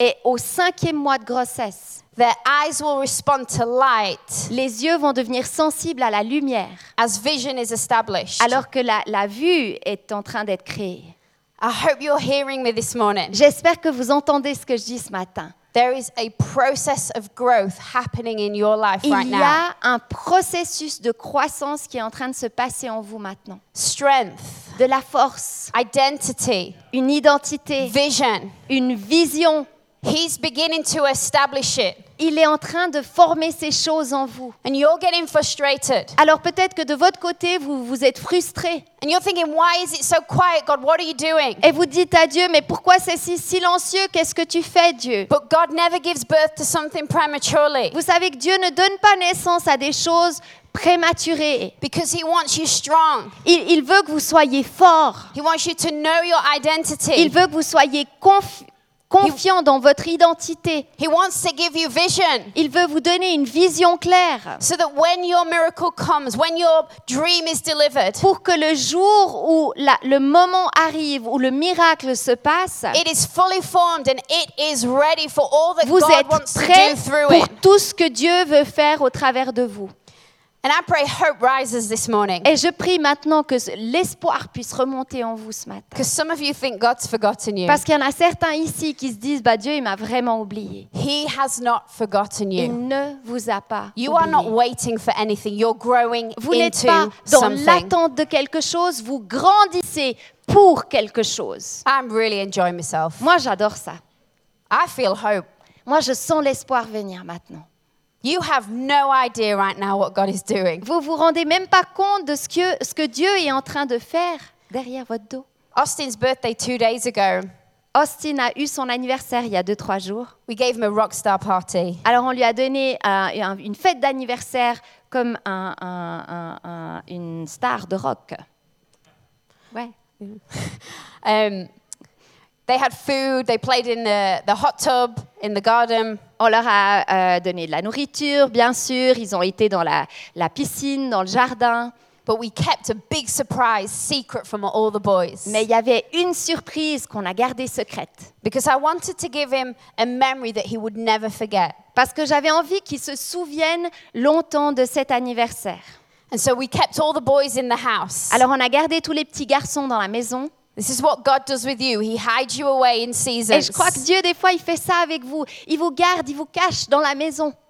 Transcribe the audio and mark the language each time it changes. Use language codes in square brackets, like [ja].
[fr] et au cinquième mois de grossesse, [en] their eyes will respond to light. [fr] Les yeux vont devenir sensibles à la lumière. [en] As vision is established. [fr] Alors que la vue est en train d'être créée. [en] I hope you're hearing me this morning. [fr] J'espère que vous entendez ce que je dis ce matin. [en] There is a process of growth happening in your life right now. [fr] Il y a un processus de croissance qui est en train de se passer en vous maintenant. [en] Strength. [fr] De la force. [en] Identity. [fr] Une identité. [en] Vision. [fr] Une vision. [en] He's beginning to establish it. [fr] Il est en train de former ces choses en vous. [en] And you're getting frustrated. [fr] Alors peut-être que de votre côté, vous êtes frustré. [en] And you're thinking, why is it so quiet, God? What are you doing? [fr] Et vous dites à Dieu, mais pourquoi c'est si silencieux? Qu'est-ce que tu fais, Dieu? [en] But God never gives birth to something prematurely. [fr] Vous savez que Dieu ne donne pas naissance à des choses prématuré. [en] Because he wants you strong. [fr] Il veut que vous soyez fort. [en] He wants you to know your identity. [fr] Il veut que vous soyez confiant dans votre identité. [en] He wants to give you vision. [fr] Il veut vous donner une vision claire. [en] So that when your miracle comes, when your dream is delivered, [fr] pour que le jour où le moment arrive, où le miracle se passe, [en] it is fully formed and it is ready for all that God wants to do through it. [fr] Vous êtes prêt pour tout ce que Dieu veut faire au travers de vous. [en] And I pray hope rises this morning. [fr] Et je prie maintenant que l'espoir puisse remonter en vous ce matin. [en] Because some of you think God's forgotten you. [fr] Parce qu'il y en a certains ici qui se disent, bah Dieu, il m'a vraiment oublié. [en] He has not forgotten you. [fr] Il ne vous a pas [en] you [fr] oublié. [en] Are not waiting for anything. You're growing [fr] vous [en] into [fr] n'êtes pas dans [en] something. [fr] L'attente de quelque chose, vous grandissez pour quelque chose. [en] I'm really enjoying myself. [fr] Moi, j'adore ça. [en] I feel hope. [fr] Moi, je sens l'espoir venir maintenant. [en] You have no idea right now what God is doing. [fr] Vous vous rendez même pas compte de ce que Dieu est en train de faire derrière votre dos. [en] Austin's birthday 2 days ago. [fr] Austin a eu son anniversaire il y a 2-3 jours. [en] We gave him a rock star party. [fr] Alors on lui a donné une fête d'anniversaire comme une star de rock. Ouais. [en] They had food. They played in the hot tub in the garden. [fr] On leur a donné de la nourriture, bien sûr. Ils ont été dans la piscine, dans le jardin. [en] But we kept a big surprise secret from all the boys. [fr] Mais il y avait une surprise qu'on a gardée secrète. [en] Because I wanted to give him a memory that he would never forget. [fr] Parce que j'avais envie qu'il se souvienne longtemps de cet anniversaire. [en] And so we kept all the boys in the house. [fr] Alors on a gardé tous les petits garçons dans la maison. [en] This is what God does with you. He hides you away in seasons. [fr] Et je crois que Dieu des fois il fait ça avec vous. Il vous garde, il vous cache dans la maison.